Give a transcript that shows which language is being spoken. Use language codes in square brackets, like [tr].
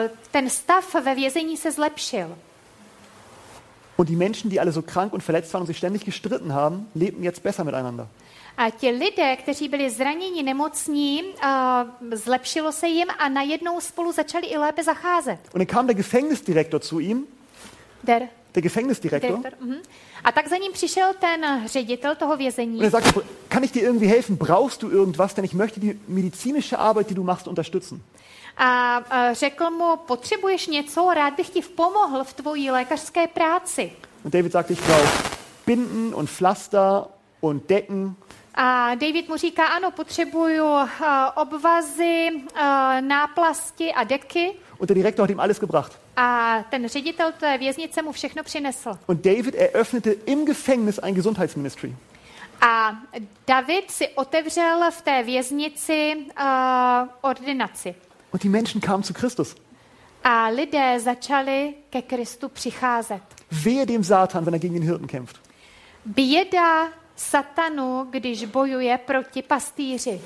[cs] Ten stav ve vězení se zlepšil. [de] Und die Menschen, die alle so krank und verletzt waren und sich ständig gestritten haben, lebten jetzt besser miteinander. [cs] A ti lidé, kteří byli zraněni, nemocní, zlepšilo se jim a najednou spolu začali i lépe zacházet. [de] Und dann kam der Gefängnisdirektor zu ihm. Der Gefängnisdirektor. [cs] A tak za ním přišel ten ředitel toho vězení. [de] Und er sagte, kann ich dir irgendwie helfen? Brauchst du irgendwas? Denn ich möchte die medizinische Arbeit, die du machst, unterstützen. [cs] A řekl mu, potřebuješ něco, rád bych ti pomohl v tvojí lékařské práci. [de] Und David sagte, ich brauche Binden und Pflaster und Decken. [cs] A David mu říká, ano, potřebuju obvazy, náplasti a deky. [de] Und der Direktor hat ihm alles gebracht. [cs] A ten ředitel té věznice mu všechno přinesl. [de] Und David eröffnete im Gefängnis ein Gesundheitsministry. [cs] A David si otevřel v té věznici ordinaci. [de] Und die Menschen kamen zu Christus. [cs] A lidé začali ke Kristu přicházet. [de] Wehe dem Satan, wenn er gegen den Hirten kämpft. [cs] Běda Satanu, když bojuje proti pastýři.